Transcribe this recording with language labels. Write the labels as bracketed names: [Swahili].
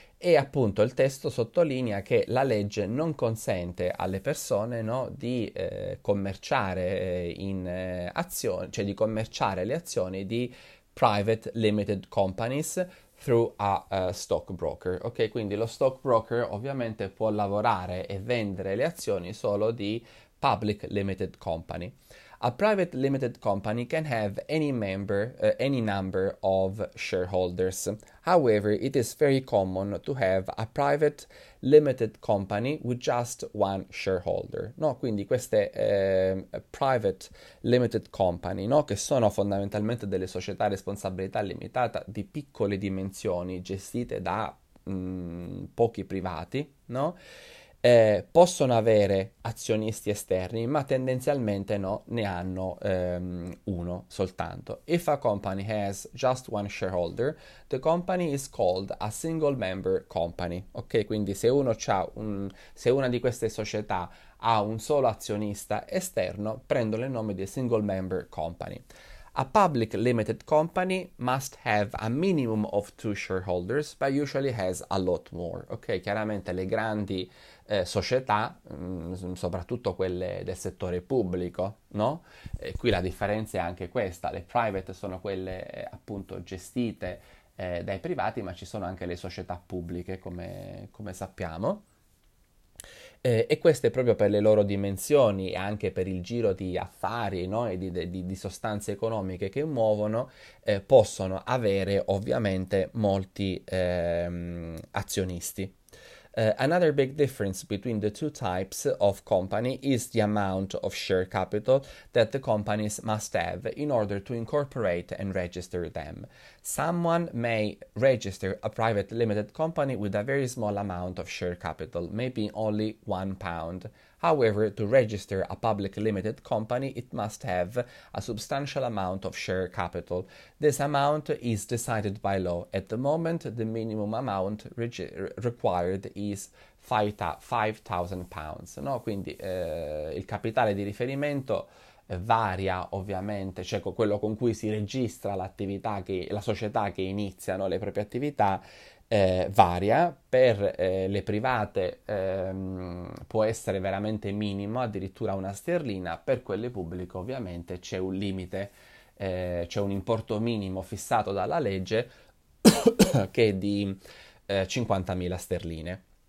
[Italian] E appunto il testo sottolinea che la legge non consente alle persone, no, di commerciare in azioni, cioè di commerciare le azioni di private limited companies [English] through a stock broker. [Italian] Ok, quindi lo stock broker ovviamente può lavorare e vendere le azioni solo di public limited company. [English] A private limited company can have any number of shareholders. However, it is very common to have a private limited company with just one shareholder. [Italian] No, quindi queste private limited company, no, che sono fondamentalmente delle società a responsabilità limitata di piccole dimensioni gestite da pochi privati, no? Possono avere azionisti esterni, ma tendenzialmente no, ne hanno uno soltanto. [English] If a company has just one shareholder, the company is called a single member company. [Italian] Ok, quindi se uno c'ha se una di queste società ha un solo azionista esterno, prendono il nome di single member company. [English] A public limited company must have a minimum of two shareholders, but usually has a lot more. [Italian] Ok, chiaramente le grandi società, soprattutto quelle del settore pubblico, no? E qui la differenza è anche questa, le private sono quelle appunto gestite dai privati, ma ci sono anche le società pubbliche, come sappiamo. E questo è proprio per le loro dimensioni e anche per il giro di affari, no? E di sostanze economiche che muovono, possono avere ovviamente molti azionisti. [English] Another big difference between the two types of company is the amount of share capital that the companies must have in order to incorporate and register them. Someone may register a private limited company with a very small amount of share capital, maybe only £1. However, to register a public limited company, it must have a substantial amount of share capital. This amount is decided by law. At the moment, the minimum amount required is £5,000. No? [Italian] Quindi il capitale di riferimento varia ovviamente, cioè con quello con cui si registra l'attività, la società che inizia, no, le proprie attività. Varia, per le private può essere veramente minimo, addirittura una sterlina, per quelle pubbliche ovviamente c'è un limite, c'è un importo minimo fissato dalla legge che è di 50.000 sterline.